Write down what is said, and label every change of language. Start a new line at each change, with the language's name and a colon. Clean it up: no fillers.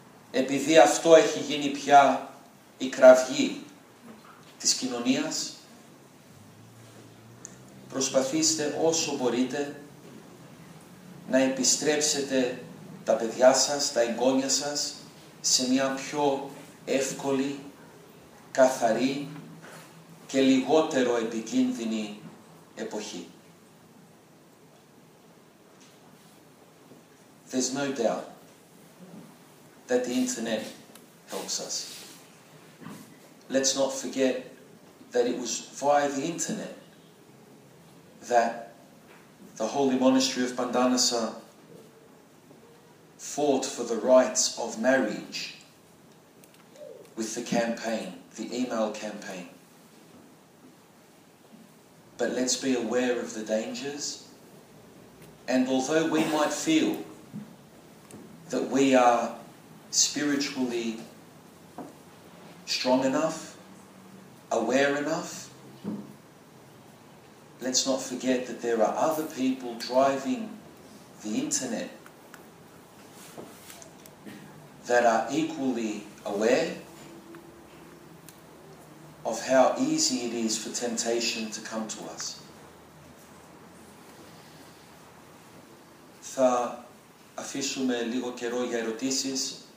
Greek: Επειδή αυτό έχει γίνει πια η κραυγή της κοινωνίας, προσπαθήστε όσο μπορείτε να επιστρέψετε τα παιδιά σας, τα εγγόνια σας, σε μια πιο εύκολη, καθαρή και λιγότερο επικίνδυνη εποχή.
English: There's no doubt that the internet helps us. Let's not forget that it was via the internet that the Holy Monastery of Pandanasa fought for the rights of marriage with the campaign, the email campaign. But let's be aware of the dangers. And although we might feel that we are spiritually strong enough, aware enough, let's not forget that there are other people driving the internet that are equally aware of how easy it is for temptation to come to us.
Greek: Θα αφήσουμε λίγο καιρό για ερωτήσεις.